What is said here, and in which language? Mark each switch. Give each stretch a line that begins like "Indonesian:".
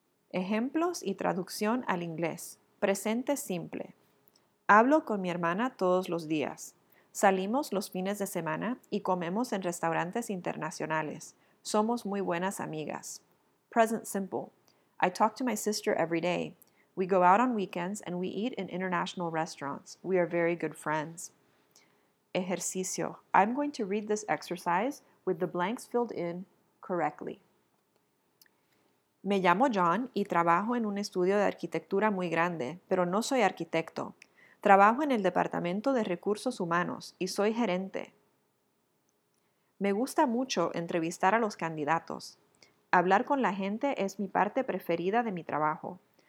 Spanish: Ejemplos y traducción al inglés. Presente simple. Hablo con mi hermana todos los días. Salimos los fines de semana y comemos en restaurantes internacionales. Somos muy buenas amigas.
English: Present simple. I talk to my sister every day. We go out on weekends and we eat in international restaurants. We are very good friends.
Spanish: Ejercicio.
English: I'm going to read this exercise with the blanks filled in correctly.
Spanish: Me llamo John y trabajo en un estudio de arquitectura muy grande, pero no soy arquitecto. Trabajo en el Departamento de Recursos Humanos y soy gerente. Me gusta mucho entrevistar a los candidatos. Hablar con la gente es mi parte preferida de mi trabajo.